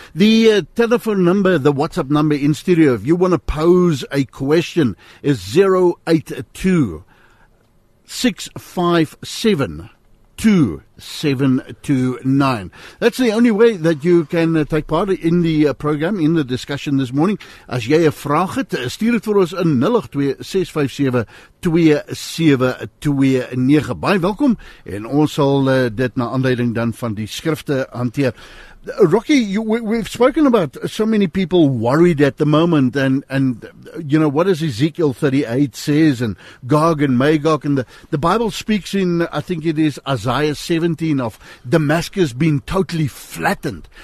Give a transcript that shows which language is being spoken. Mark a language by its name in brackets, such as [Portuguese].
[English] The telephone number, the WhatsApp number in studio, if you want to pose a question, is 082-657-2729. That's the only way that you can take part in the program, in the discussion this morning. [Afrikaans] As jy 'n vraag het, stuur dit vir ons in 082-657-2729. Baie welkom, en ons sal dit na aanleiding dan van die skrifte hanteer. [English] Rocky, we've spoken about so many people worried at the moment, and you know, what does Ezekiel 38 says, and Gog and Magog, and the Bible speaks in, I think it is Isaiah 17, of Damascus being totally flattened.